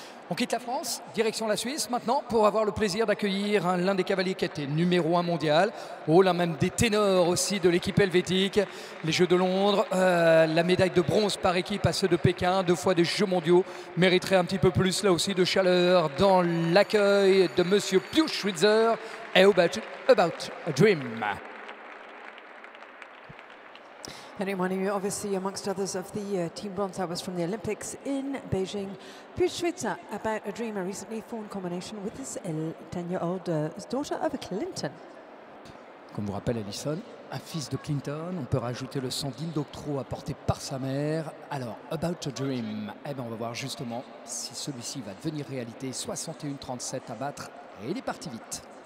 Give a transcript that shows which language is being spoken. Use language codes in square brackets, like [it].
[fr] On quitte la France, direction la Suisse maintenant, pour avoir le plaisir d'accueillir l'un des cavaliers qui a été numéro 1 mondial, l'un même des ténors aussi de l'équipe helvétique, les Jeux de Londres, la médaille de bronze par équipe à ceux de Pékin, deux fois des Jeux mondiaux, mériterait un petit peu plus là aussi de chaleur dans l'accueil de Monsieur Piu Schwitzer. [en] How about a dream? And reminding you, obviously, amongst others, of the team bronze that was from the Olympics in Beijing. Piu Schwitzer, about a dream, a recently formed combination with his 10-year-old daughter of a Clinton. [fr] Comme vous rappelle Alison, un fils de Clinton, on peut rajouter le sang d'Indoctro apporté par sa mère. Alors, about a dream, eh bien, on va voir justement si celui-ci va devenir réalité. 61-37 à battre, et il est parti vite.